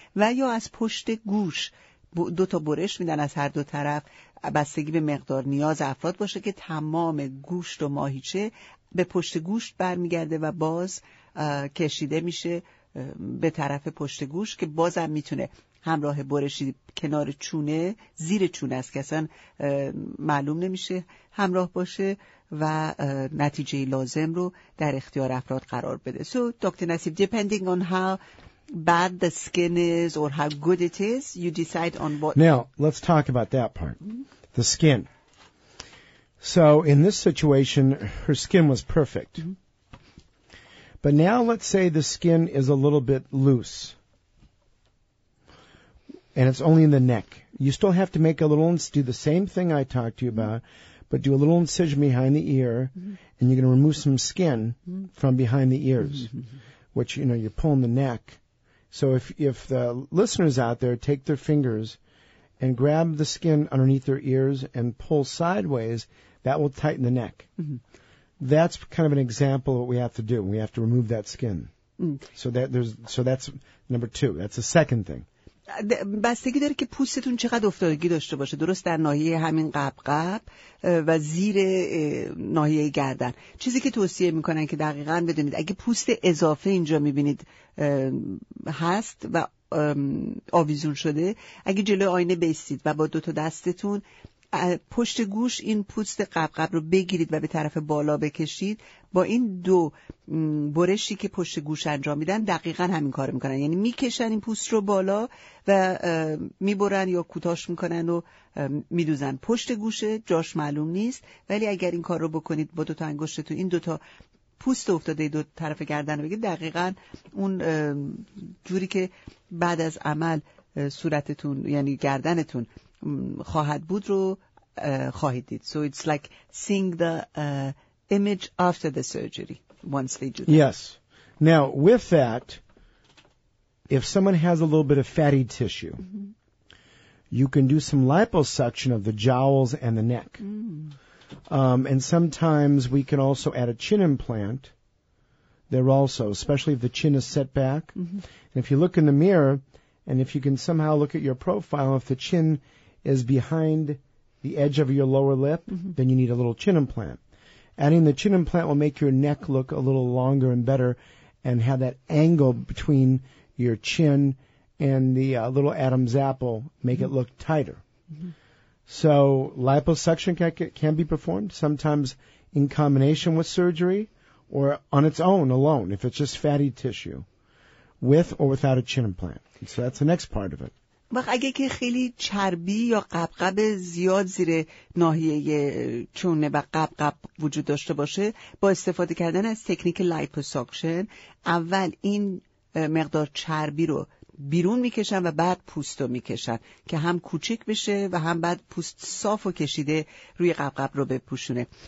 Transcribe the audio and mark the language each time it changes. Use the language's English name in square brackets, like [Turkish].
[Persian] و یا از پشت گوش دوتا برش میدن از هر دو طرف، بستگی به مقدار نیاز افراد باشه، که تمام گوشت و ماهیچه به پشت گوشت برمیگرده و باز کشیده میشه به طرف پشت گوشت، که بازم میتونه همراه برشی کنار چونه، زیر چونه است که اصلا معلوم نمیشه، همراه باشه و نتیجه لازم رو در اختیار افراد قرار بده. [English] So, Dr. Nassif, depending on how bad the skin is or how good it is, you decide on what... Now, let's talk about that part. The skin. So in this situation, her skin was perfect. Mm-hmm. But now let's say the skin is a little bit loose. And it's only in the neck. You still have to make a little, do the same thing I talked to you about, but do a little incision behind the ear, mm-hmm. and you're going to remove some skin mm-hmm. from behind the ears, mm-hmm. which, you know, you're pulling the neck. So if the listeners out there take their fingers and grab the skin underneath their ears and pull sideways, that will tighten the neck. Mm-hmm. That's kind of an example of what we have to do. We have to remove that skin. Mm. So that's number two. That's the second thing. [Persian] بستگی داره که پوستتون چقدر افتادگی داشته باشه، درست در ناحیه همین قبقب و زیر ناحیه گردن. چیزی که توصیه میکنن که دقیقا بدونید اگه پوست اضافه اینجا میبینید هست و آویزون شده، اگه جلوی آینه بایستید و با دوتا دستتون پشت گوش این پوست قبقب رو بگیرید و به طرف بالا بکشید، با این دو برشی که پشت گوش انجام میدن دقیقا همین کار میکنن، یعنی میکشن این پوست رو بالا و میبرن یا کوتاش میکنن و میدوزن پشت گوش، جاش معلوم نیست، ولی اگر این کار رو بکنید با دوتا انگشتتون این دوتا پوست افتاده دو طرف گردن رو بگیرید، دقیقا اون جوری که بعد از عمل صورتتون یعنی گردنتون خواهد بود رو خواهید دید. [English] So it's like seeing the image after the surgery once they do that. Yes. Now with that, if someone has a little bit of fatty tissue, mm-hmm. you can do some liposuction of the jowls and the neck. Mm-hmm. And sometimes we can also add a chin implant there also, especially if the chin is set back. Mm-hmm. And if you look in the mirror and if you can somehow look at your profile, if the chin is behind the edge of your lower lip, mm-hmm. then you need a little chin implant. Adding the chin implant will make your neck look a little longer and better and have that angle between your chin and the little Adam's apple make mm-hmm. it look tighter. Mm-hmm. So liposuction can be performed sometimes in combination with surgery or on its own alone if it's just fatty tissue with or without a chin implant. So that's the next part of it. [Persian] وقت اگه که خیلی چربی یا قبقب زیاد زیر ناحیه چونه و قبقب وجود داشته باشه، با استفاده کردن از تکنیک لیپوساکشن اول این مقدار چربی رو بیرون میکشن و بعد پوست رو میکشن که هم کوچک بشه و هم بعد پوست صاف و کشیده روی قبقب رو بپوشونه.